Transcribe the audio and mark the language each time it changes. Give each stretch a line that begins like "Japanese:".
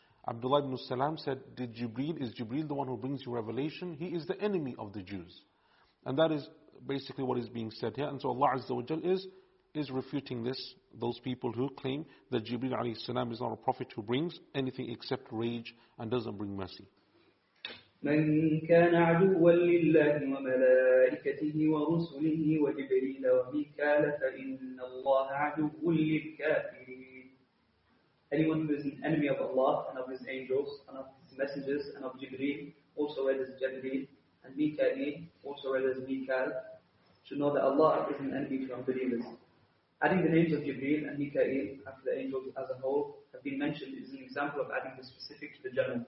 English: Abdullah ibn Salam said, is Jibreel the one who brings you revelation? He is the enemy of the Jews. And that is basically what is being said here. And so Allah Azza wa Jal is refuting this, those people who claim that Jibreel alayhi salam is not a prophet who brings anything except rage and doesn't bring mercy.
Arabic: من كان عدوا لله وملائكته ورسله وجبريل وميكال فإن الله عدو للكافرين.
English: Anyone who is an enemy of Allah and of His angels and of His messengers and of Jibreel, also read as Jibreel, and Mikael, also read as Mikael, should know that Allah is an enemy to unbelievers. Adding the names of Jibreel and Mikael after the angels as a whole have been mentioned is an example of adding the specific to the general.